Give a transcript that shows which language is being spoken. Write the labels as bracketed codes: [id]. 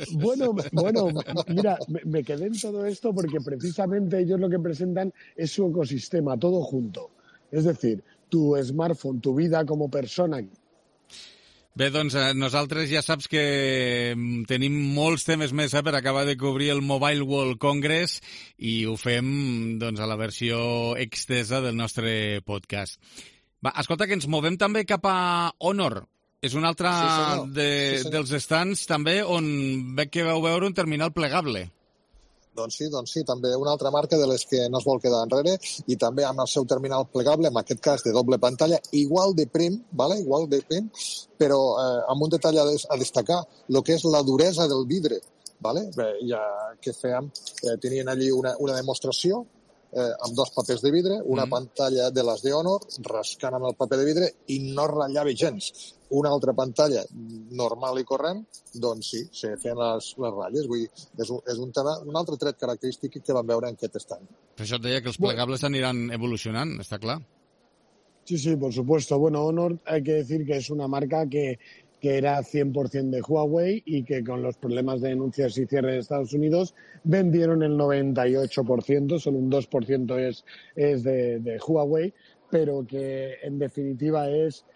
[es] Bueno, mira, me quedé en todo esto porque precisamente ellos lo que presentan es su ecosistema, todo junto. Es decir, tu smartphone, tu vida como persona. [ca] Bé, doncs nosaltres ja saps que tenim molts temes més per acabar de cobrir el Mobile World Congress i ho fem doncs a la versió extesa del nostre podcast. Va, escolta, que ens movem també cap a Honor. És un altre dels stands també on veig que vau veure un terminal plegable. Doncs sí, també una altra marca de les que no es vol quedar enrere i també amb el seu terminal plegable, en aquest cas de doble pantalla, igual de prim, ¿vale? Igual de prim, però amb un detall a destacar, el que és la duresa del vidre, ¿vale? Bé, ja que fèiem, tenien allí una demostració amb dos papers de vidre, una pantalla de les de Honor, rascant amb el paper de vidre i no ratllava gens. Una altra pantalla normal i corrent, doncs sí, se feien les ratlles. Vull dir, és un altre tret característic que vam veure en aquest estany. Per això et deia que els plegables aniran evolucionant, està clar. [es] Sí, sí, por supuesto. Bueno, Honor, hay que decir que es una marca que era 100% de Huawei y que con los problemas de denuncias y cierre de Estados Unidos vendieron el 98%, solo un 2% es de Huawei, pero que en definitiva es